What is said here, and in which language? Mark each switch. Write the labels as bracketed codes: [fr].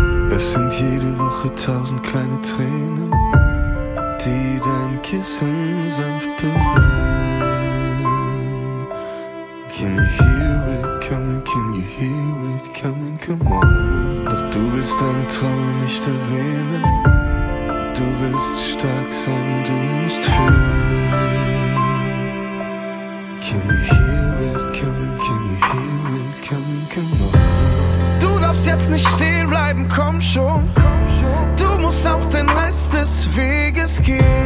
[de] Es sind jede Woche tausend kleine Tränen, die dein Kissen sanft berühren. [en] Can you hear it coming, can you hear it coming, come on. [de] Doch du willst deine Trauer nicht erwähnen, du willst stark sein, du musst fühlen. [en] Can you hear it coming, can you hear it coming, come on. [de] Du darfst jetzt nicht stehen bleiben, komm schon. Du musst auch den Rest des Weges gehen.